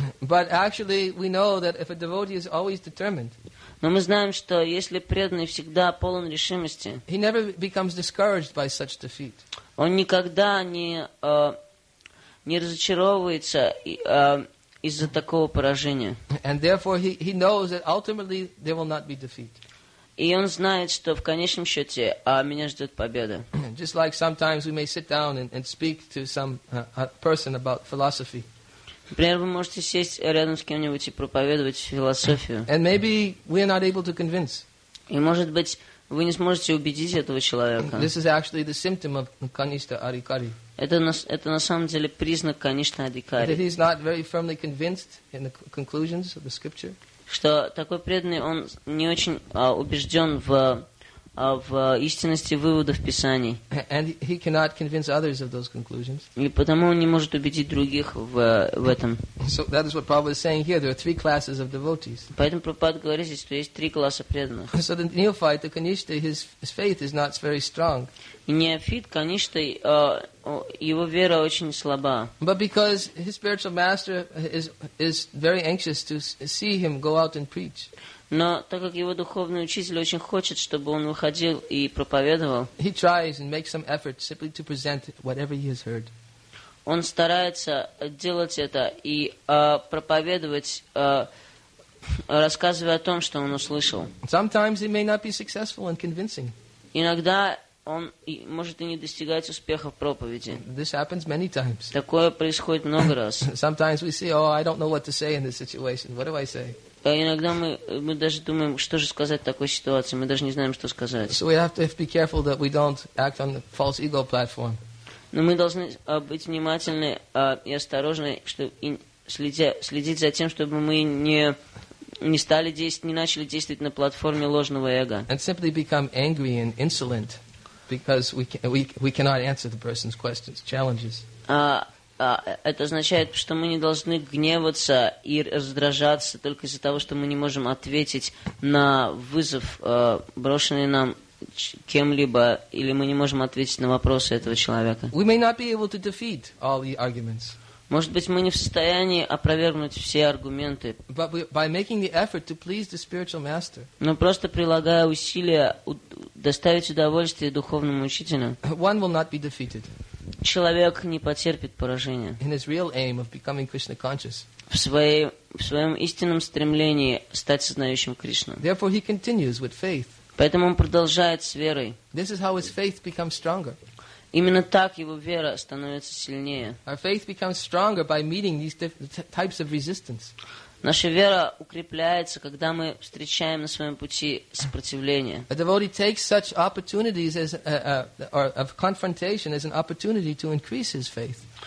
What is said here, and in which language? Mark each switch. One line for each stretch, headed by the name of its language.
English: But actually, we know that if a devotee is always determined,
Russian: но мы знаем, что если преданный всегда полон решимости,
English: he never becomes discouraged by such defeat.
Russian: Он никогда не разочаровывается из-за такого поражения.
English: And therefore, he knows that ultimately there will not be defeat.
Russian: И он знает, что в конечном счете меня ждет победа.
English: Just like sometimes we may sit down and speak to some person about philosophy.
Russian: Например, вы можете сесть рядом с кем-нибудь и проповедовать философию.
English: And maybe we are not able to convince.
Russian: И может быть, вы не сможете убедить этого человека.
English: This is actually the symptom of Kanishtha Adhikari.
Russian: Это на самом деле признак Kanishtha Adhikari.
English: That he is not very firmly convinced in the conclusions of the scripture.
Russian: Что такой преданный, он не очень убежден в истинности выводов Писаний.
English: And he cannot convince others of those conclusions.
Russian: И потому он не может убедить других в этом.
English: So that is what Prabhupada is saying here. There are three classes of devotees.
Russian: Поэтому Прабхупада говорит здесь, что есть три класса преданных.
English: So the neophyte, the Kanishtha, his faith is not very strong.
Russian: И неофит, Kanishtha, его вера очень слаба.
English: But because his spiritual master is very anxious to see him go out and preach.
Russian: Но так как его духовный учитель очень хочет, чтобы он выходил и проповедовал,
English: he tries and makes some effort simply to present whatever he has heard.
Russian: Он старается делать это и проповедовать, рассказывая о том, что он услышал.
English: Sometimes he may not be successful in convincing.
Russian: Иногда он может и не достигать успеха в проповеди.
English: This happens many times.
Russian: Такое происходит много раз.
English: Sometimes we see, oh, I don't know what to say in this situation. What do I say?
Russian: Иногда мы даже думаем, что же сказать в такой ситуации. Мы даже не знаем, что сказать.
English: So we have to be careful that we don't act on the false ego platform.
Russian: Но мы должны быть внимательны и осторожны, чтобы следить за тем, чтобы мы не начали действовать на платформе ложного эго.
English: And simply become angry and insolent because we cannot answer the person's questions, challenges.
Russian: Это означает, что мы не должны гневаться и раздражаться только из-за того, что мы не можем ответить на вызов, брошенный нам кем-либо, или мы не можем ответить на вопросы этого человека.
English: We may not be able to defeat all the arguments.
Russian: Может быть, мы не в состоянии опровергнуть все аргументы.
English: But by making the effort to please the spiritual master.
Russian: Но просто прилагая усилия доставить удовольствие духовному учителю,
English: one will not be defeated.
Russian: Человек не потерпит поражения.
English: In his real aim of becoming Krishna conscious.
Russian: В своем истинном стремлении стать сознающим Кришну.
English: Therefore, he continues with faith.
Russian: Поэтому он продолжает с верой.
English: This is how his faith becomes stronger.
Russian: Именно так его вера становится сильнее.
English: Our faith becomes stronger by meeting these different types of resistance.
Russian: Наша вера укрепляется, когда мы встречаем на своем пути сопротивление.
English: A devotee takes such opportunities as or of confrontation as an opportunity to increase his faith.